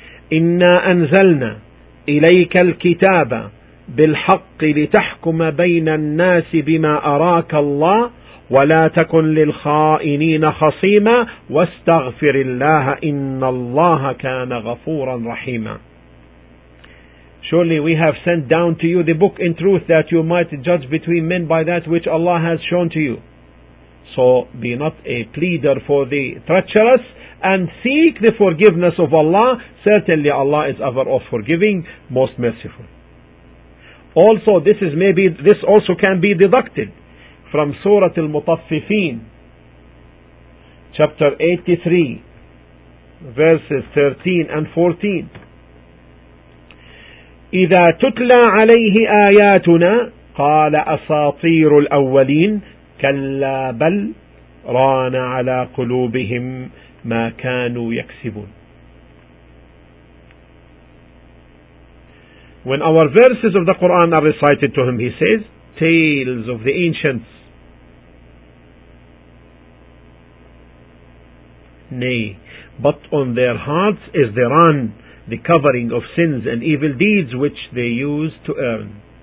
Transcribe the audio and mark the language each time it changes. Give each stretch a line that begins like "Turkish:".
Arabic: Inna anzalna ilayka al-kitaba بالحق لتحكم بين الناس بما أراك الله ولا تكن للخائنين خصيما واستغفر الله إن الله كان غفورا رحيما.
English: Surely we have sent down to you the book in truth that you might judge between men by that which Allah has shown to you. So be not a pleader for the treacherous and seek the forgiveness of Allah. Certainly Allah is ever of forgiving, most merciful. Also, this also can be deducted from Surah Al-Mutaffifin, chapter 83, verses 13 and 14.
Arabic: إذا تتلى عليه آياتنا قال أساطير الأولين كلا بل ران على قلوبهم ما كانوا يكسبون.
English: When our verses of the Quran are recited to him, he says, tales of the ancients. Nay, but on their hearts is the ran, the covering of sins and evil deeds which they used to earn.